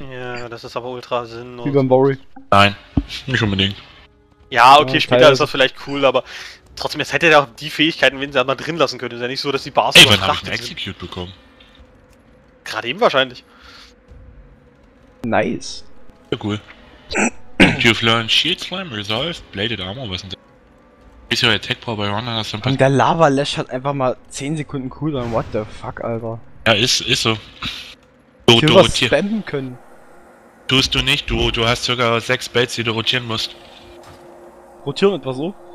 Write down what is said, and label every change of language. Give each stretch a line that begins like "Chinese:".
German: Ja, das ist aber ultra sinnlos. Wie beim Bori. Nein, nicht unbedingt. Ja, okay, ja, später ist das vielleicht cool, aber... Trotzdem, jetzt hätte er auch die Fähigkeiten, wenn sie einmal drin lassen können. Ist ja nicht so, dass die Bars überfrachtet sind. Ey, wann hab ich ein Execute bekommen? Gerade eben wahrscheinlich. Nice. Ja, cool.
English: You've learned Shield Slam, Resolve, Bladed Armor, was denn das?
German: Ist ja Attack Power bei Runner, das dann passiert. Der Lava Lash hat einfach mal 10 Sekunden cooldown,
English: what the fuck,
German: Alter. Ja, ist so. Du rotierst. Spammen können. Tust du nicht, du hast ca. 6 Bates, die du rotieren musst. Rotieren etwa so?